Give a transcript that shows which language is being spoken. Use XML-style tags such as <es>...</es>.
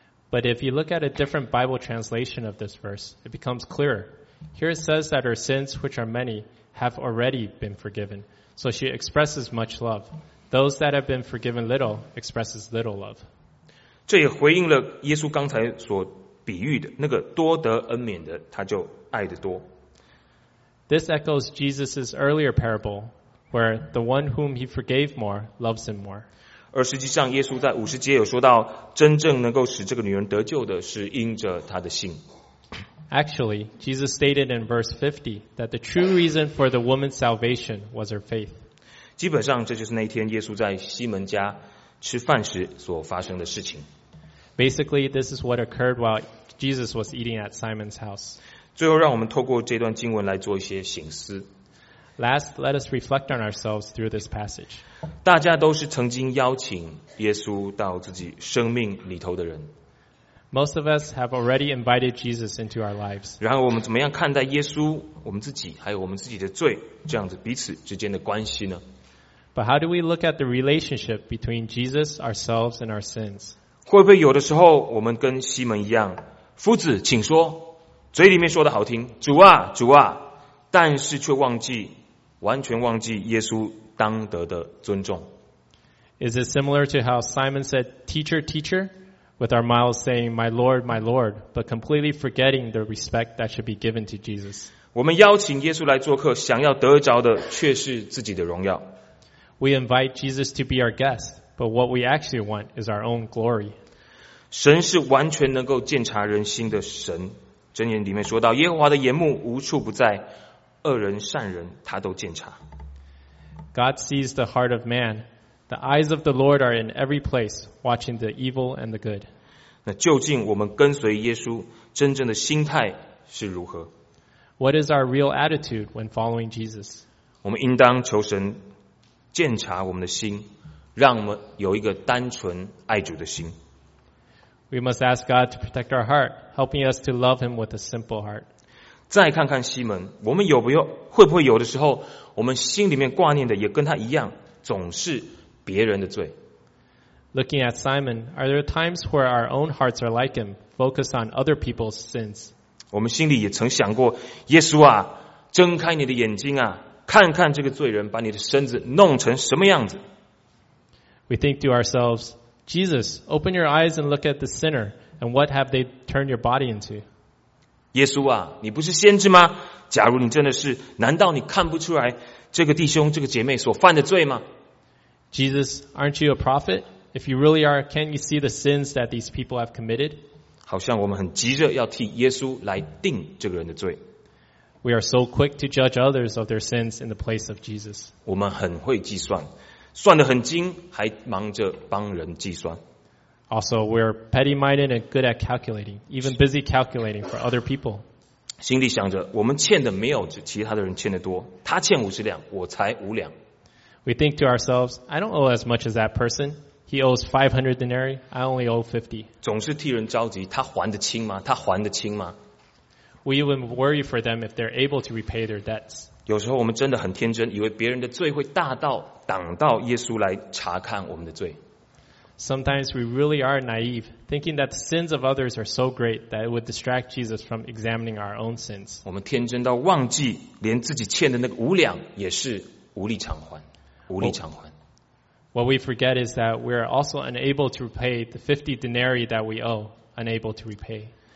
<en>But if you look at a different Bible translation of this verse, it becomes clearer. Here it says that her sins, which are many, have already been forgiven, so she expresses much love. Those that have been forgiven little expresses little love.</en> <zh>这也回应了耶稣刚才所比喻的那个多得恩免的，他就爱得多。</zh> <en>This echoes Jesus' earlier parable, where the one whom he forgave more loves him more.</en> <zh>而实际上，耶稣在五十节有说到，真正能够使这个女人得救的是因着她的信。</zh> <en>Actually, Jesus stated in verse 50 that the true reason for the woman's salvation was her faith.</en> <zh>基本上这就是那天耶稣在西门家吃饭时所发生的事情。</zh> <en>Basically, this is what occurred while Jesus was eating at Simon's house.</en> <zh>最后，让我们透过这段经文来做一些省思。</zh> <en>Last, let us reflect on ourselves through this passage.</en> <zh>大家都是曾经邀请耶稣到自己生命里头的人。</zh> <en>Most of us have already invited Jesus into our lives.</en> <zh>然后我们怎么样看待耶稣、我们自己还有我们自己的罪这样子彼此之间的关系呢？</zh> <en>But how do we look at the relationship between Jesus, ourselves, and our sins?</en> <zh>会不会有的时候我们跟西门一样，夫子，请说，嘴里面说的好听，主啊，主啊，但是却忘记，完全忘记耶稣当得的尊重？</zh> <en>Is it similar to how Simon said, "Teacher, teacher"? With our mouths saying, "My Lord, my Lord," but completely forgetting the respect that should be given to Jesus.</en> <zh>我们邀请耶稣来做客，想要得着的却是自己的荣耀。</zh> <en>We invite Jesus to be our guest, but what we actually want is our own glory.</en> <zh>神是完全能够鉴察人心的神。箴言里面说到，耶和华的眼目无处不在，恶人善人他都鉴察。</zh> <en>God sees the heart of man. The eyes of the Lord are in every place, watching the evil and the good.</en> <zh>那究竟我们跟随耶稣真正的心态是如何？</zh> <en>What is our real attitude when following Jesus?</en> <zh>我们应当求神鉴察我们的心，让我们有一个单纯爱主的心。</zh> <en>We must ask God to protect our heart, helping us to love Him with a simple heart.</en> <zh>再看看西门，我们有不有，会不会有的时候，我们心里面挂念的也跟他一样，总是别人的罪。</zh> <en>Looking at Simon, are there times where our own hearts are like him, focused on other people's sins?</en> <zh>我们心里也曾想过，耶稣啊，睁开你的眼睛啊，看看这个罪人把你的身子弄成什么样子。</zh> <en>We think to ourselves, Jesus, open your eyes and look at the sinner, and what have they turned your body into?</en> <zh>耶稣啊，你不是先知吗？假如你真的是，难道你看不出来这个弟兄、这个姐妹所犯的罪吗？</zh> <en>Jesus, aren't you a prophet? If you really are, can't you see the sins that these people have committed?</en> <zh>好像我们很急着要替耶稣来定这个人的罪。</zh> <en>We are so quick to judge others of their sins in the place of Jesus.</en> <zh>我们很会计算，算得很精，还忙着帮人计算。</zh> <en>Also, we're petty-minded and good at calculating, even busy calculating for other people.</en> <zh>心里想着，我们欠的没有其他的人欠的多，他欠五十两，我才五两。</zh> <en>We think to ourselves, I don't owe as much as that person. He owes 500 denarii, I only owe 50.</en> <zh>总是替人着急，他还得清吗？他还得清吗？</zh> <en>We even worry for them if they're able to repay their debts.</en> <zh>有时候我们真的很天真，以为别人的罪会大到挡到耶稣来查看我们的罪。</zh> <en>Sometimes we really are naive, thinking that the sins of others are so great that it would distract Jesus from examining our own sins.</en> <zh>我们天真到忘记，连自己欠的那个五两也是无力偿还。无力偿还。</zh> <en>What we forget is that we are also unable to repay the 50 denarii that we owe, unable to repay.</en>